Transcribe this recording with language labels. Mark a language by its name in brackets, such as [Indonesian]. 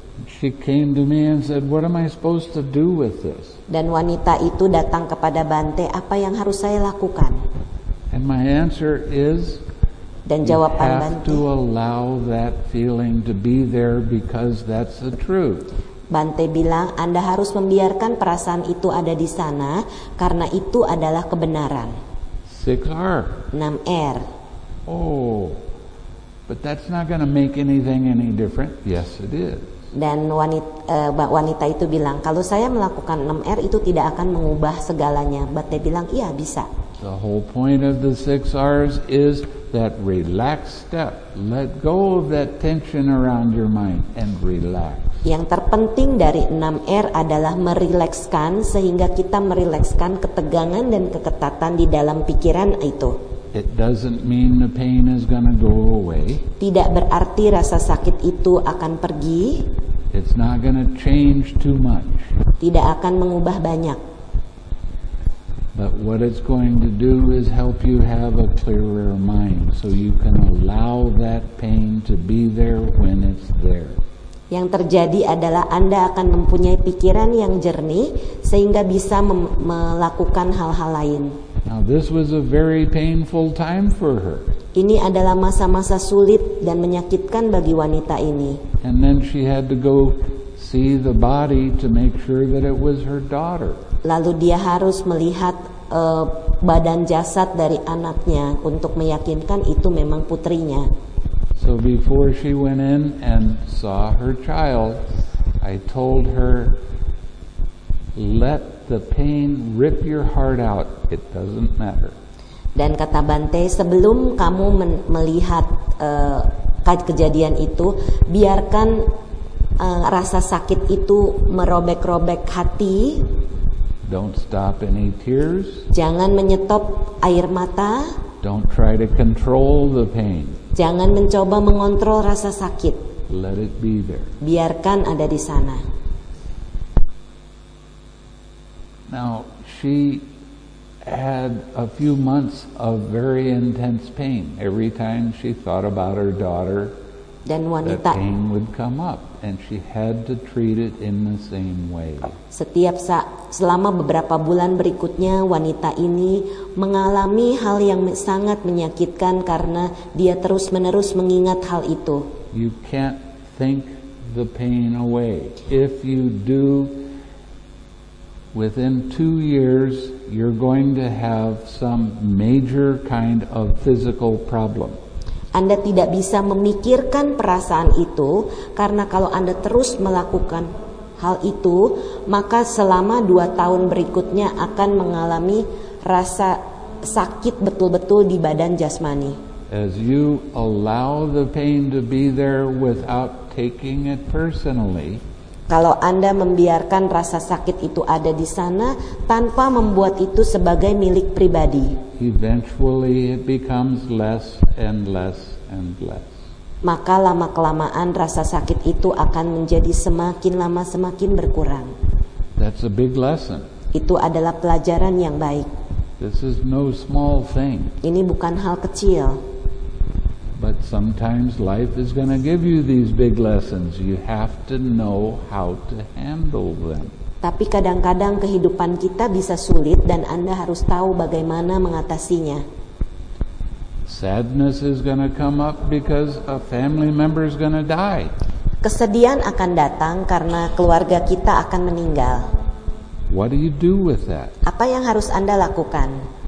[English] She came to me and said, "What am I supposed to do with this?" [Indonesian] Dan wanita itu datang kepada Bante, "Apa yang harus saya lakukan?" [English] And my answer is, [Indonesian] dan jawaban [English] you have [Indonesian] Bante, [English] to allow that feeling to be there because that's the truth. [Indonesian] Bante bilang, Anda harus membiarkan perasaan itu ada di sana karena itu adalah kebenaran. [English] 6R. 6R. Oh, but that's not going to make anything any different. Yes, it is. [Indonesian] Dan wanita itu bilang, kalau saya melakukan 6R itu tidak akan mengubah segalanya. Bante bilang, iya bisa. [English] The whole point of the 6Rs is that relaxed step. Let go of that tension around your mind and relax. [Indonesian] Yang terpenting dari 6R adalah merilekskan sehingga kita merilekskan ketegangan dan keketatan di dalam pikiran itu. [English] It doesn't mean the pain is gonna go away. [Indonesian] Tidak berarti rasa sakit itu akan pergi. [English] It's not gonna change too much. [Indonesian] Tidak akan mengubah banyak. [English] But what it's going to do is help you have a clearer mind so you can allow that pain to be there when it's there. [Indonesian] Yang terjadi adalah Anda akan mempunyai pikiran yang jernih sehingga bisa melakukan hal-hal lain. [English] Now, this was a very painful time for her. [Indonesian] Ini adalah masa-masa sulit dan menyakitkan bagi wanita ini. [English] And then she had to go see the body to make sure that it was her daughter. [Indonesian] Lalu dia harus melihat badan jasad dari anaknya untuk meyakinkan itu memang putrinya. [English] So before she went in and saw her child, I told her, let the pain rip your heart out. It doesn't matter. [Indonesian] Dan kata Bante, sebelum kamu melihat kejadian itu, biarkan rasa sakit itu merobek-robek hati. [English] Don't stop any tears. [Indonesian] Jangan menyetop air mata. [English] Don't try to control the pain. [Indonesian] Jangan mencoba mengontrol rasa sakit. [English] Let it be there. [Indonesian] Biarkan ada di sana. [English] Now, she had a few months of very intense pain. Every time she thought about her daughter, [Indonesian] dan wanita, [English] the pain would come up and she had to treat it in the same way. [Indonesian] Setiap selama beberapa bulan berikutnya wanita ini mengalami hal yang sangat menyakitkan karena dia terus-menerus mengingat hal itu. [English] You can't think the pain away. If you do, within 2 years you're going to have some major kind of physical problem. [Indonesian] Anda tidak bisa memikirkan perasaan itu karena kalau Anda terus melakukan hal itu, maka selama 2 tahun berikutnya akan mengalami rasa sakit betul-betul di badan jasmani. [English] As you allow the pain to be there without taking it personally, [Indonesian] kalau Anda membiarkan rasa sakit itu ada di sana tanpa membuat itu sebagai milik pribadi, [English] eventually it becomes less and less and less. [Indonesian] maka lama-kelamaan rasa sakit itu akan menjadi semakin lama semakin berkurang. [English] That's a big lesson. [Indonesian] Itu adalah pelajaran yang baik. [English] This is no small thing. [Indonesian] Ini bukan hal kecil. [English] But sometimes life is going to give you these big lessons. You have to know how to handle them. [Indonesian] Tapi kadang-kadang kehidupan kita bisa sulit dan Anda harus tahu bagaimana mengatasinya. [English] Sadness is going to come up because a family member is going to die. [Indonesian] Kesedihan akan datang karena keluarga kita akan meninggal. [English] What do you do with that? [Indonesian] Apa yang harus Anda lakukan?